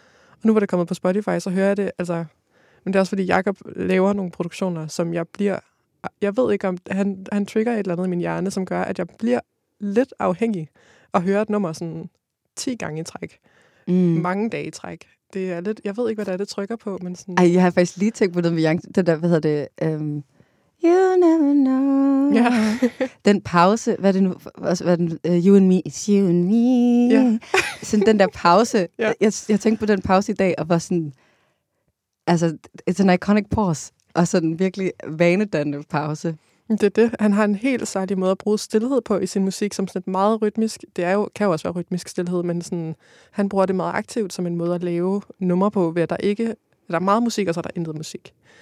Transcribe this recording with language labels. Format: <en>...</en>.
<da>Og nu hvor det er kommet på Spotify, så hører jeg det, altså. Men det er også, fordi Jacob laver nogle produktioner, som jeg bliver, jeg ved ikke om, han trigger et eller andet i min hjerne, som gør, at jeg bliver lidt afhængig at høre et nummer sådan 10 gange i træk. Mm. Mange dage i træk. Det er lidt, jeg ved ikke, hvad det er, det trykker på, men sådan. Ej, jeg har faktisk lige tænkt på noget med Jacob, det der, hvad hedder det, You never know.</da> <en>Yeah.</en> <da>Den pause, hvad er det nu? Hvad er det,</da> <en>you and me, it's you and me. Yeah.</en> <da>Sådan den der pause.</da> <en>Yeah.</en> <da>Jeg tænkte på den pause i dag, og var sådan, altså,</da> <en>it's an iconic pause.</en> <da>Og sådan virkelig vanedannende pause. Det er det. Han har en helt særlig måde at bruge stillhed på i sin musik, som sådan et meget rytmisk. Det er jo, kan jo også være rytmisk stillhed, men sådan, han bruger det meget aktivt som en måde at lave numre på, ved at der ikke, der er meget musik, og så er der intet musik.</da>